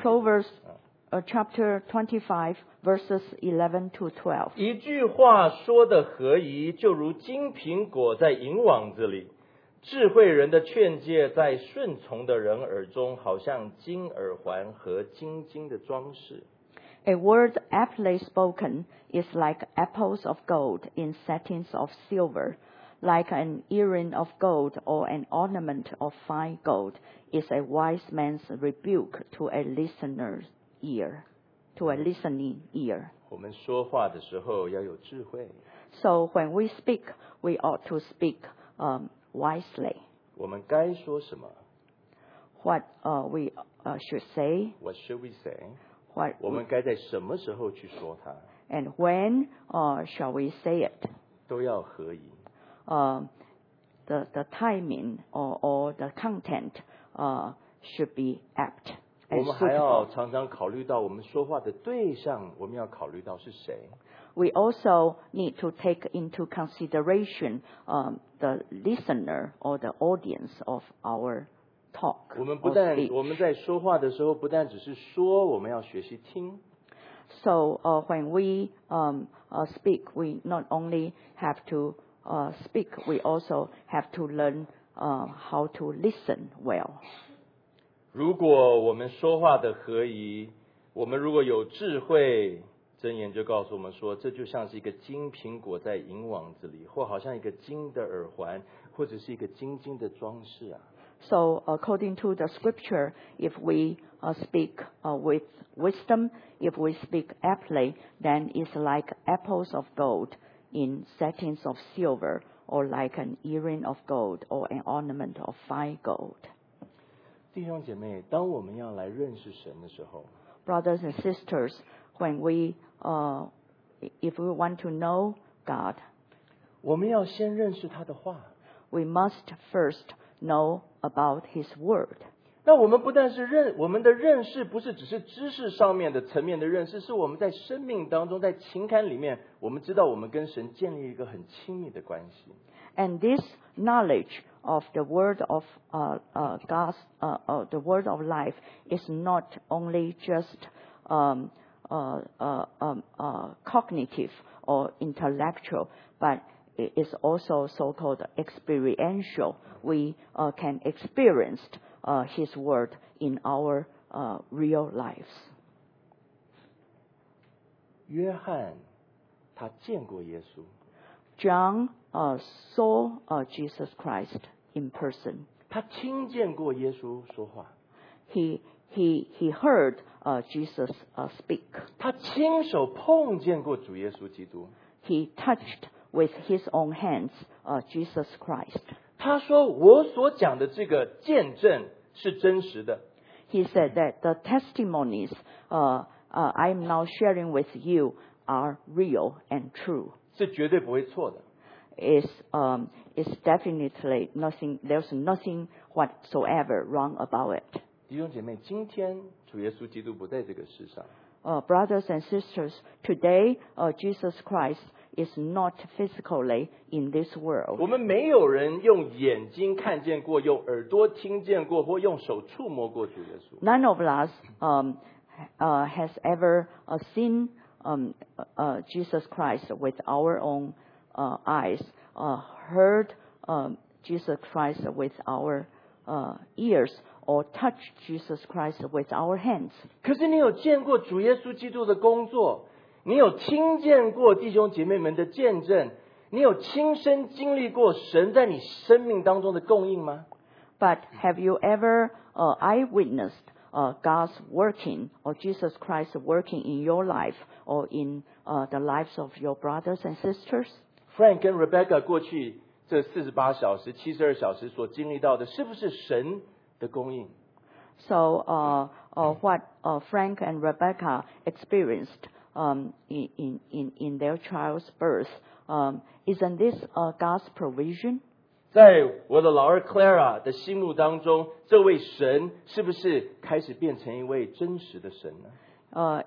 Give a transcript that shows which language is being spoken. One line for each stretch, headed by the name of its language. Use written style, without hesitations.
English: Proverbs, chapter 25, verses 11 to 12。
Chinese: 一句话说的合宜，就如金苹果在银网子里；智慧人的劝诫在顺从的人耳中，好像金耳环和金睛的装饰。
English: A word aptly spoken is like apples of gold in settings of silver, like an earring of gold or an ornament of fine gold is a wise man's rebuke to a listener's ear, to a listening ear.
Chinese: 我们说话的时候要有智慧。
English: So when we speak, we ought to speak, wisely.
Chinese: 我们该说什么？
English: What should we say? What should we say? What,
Chinese: 我们该在什么时候去说它
English: ？And when, shall we say it?
Chinese: 都要合宜。
English: The timing or the content, should be apt.
Chinese: 我们还要常常考虑到我们说话的对象，我们要考虑到是谁。
English: We also need to take into consideration, the listener or the audience of our.
Chinese: 我们不但我们在说话的时候不但只是说，我们要学习听。
English: So, when we speak, we not only have to speak, we also have to learn how to listen well.
Chinese: 如果我们说话的合宜，我们如果有智慧，箴言就告诉我们说，这就像是一个金苹果在银网子里，或好像一个金的耳环，或者是一个金金的装饰啊。
English: So according to the scripture, if we speak with wisdom, if we speak aptly, then it's like apples of gold in settings of silver, or like an earring of gold, or an ornament of fine gold.
Chinese: 弟兄姐妹，当我们要来认识神的时候
English: ，Brothers and sisters, when we if we want to know God,
Chinese: 我们要先认识他的话。
English: We must first know. About His Word.
Chinese: 那我们不但是认我们的认识，不是只是知识上面的层面的认识，是我们在生命当中，在情感里面，我们知道我们跟神建立一个很亲密的关系。
English: And this knowledge of the Word of God's the Word of Life is not only just cognitive or intellectual, but It is also so-called experiential. We can experience His Word in our real lives.
Chinese: 约翰，他见过耶稣。
English: John saw Jesus Christ in person.
Chinese: 他听见过耶稣说话。
English: He heard Jesus speak.
Chinese: 他亲手碰见过主耶稣基督。
English: He touched. With his own hands, Jesus Christ.
Chinese: 他说我所讲的这个见证是真实的。
English: He said that the testimonies, I'm now sharing with you are real and true.
Chinese: 是绝对不会错的。
English: It's definitely nothing, there's nothing whatsoever wrong about it.
Chinese: 弟兄姐妹，今天主耶稣基督不在这个世上。
English: Brothers and sisters, today, Jesus Christ,is not physically in this world.
Chinese: 我们没有人用眼睛看见过，用耳朵听见过，或用手触摸过主耶稣。
English: None of us has ever seen Jesus Christ with our own eyes, heard Jesus Christ with our ears, or touch Jesus Christ with our hands.
Chinese: 可是你有见过主耶稣基督的工作，你有听见过弟兄姐妹们的见证，你有亲身经历过神在你生命当中的供应吗？
English: But have you ever eyewitnessed God's working or Jesus Christ working in your life or in the lives of your brothers and sisters?
Chinese: Frank 跟 Rebecca 过去这48小时72小时所经历到的是不是神的供应？
English: So what Frank and Rebecca experienced in their child's birth, isn't this God's provision?
Chinese: 在我的老二 Clara 的心目当中，这位神是不是开始变成一位真实的神呢？